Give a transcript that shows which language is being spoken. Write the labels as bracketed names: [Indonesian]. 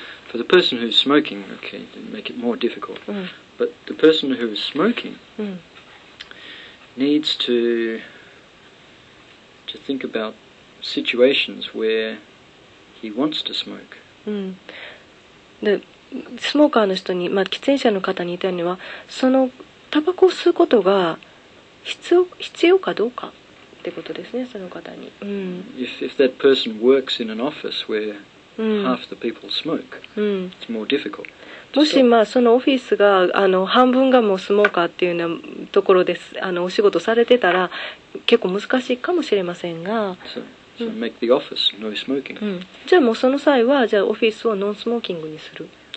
[English] For the person who's smoking, okay, to make it more difficult. But the person who is smoking needs to think about situations where he wants to smoke. [Japanese] で、スモーカーの人に、まあ、喫煙者の方に言いたいのは、そのタバコを吸うことが必要かどうかってことですね、その方に。 [English] If that person works in an office where half the people smoke. It's more difficult. [Japanese] もし、まあ、そのオフィスが半分がもうスモーカーっていうようなところです、お仕事されてたら結構難しいかもしれませんが、 [English] So make the office no smoking. [Japanese] じゃあもうその際はじゃあオフィスをノンスモーキングにする。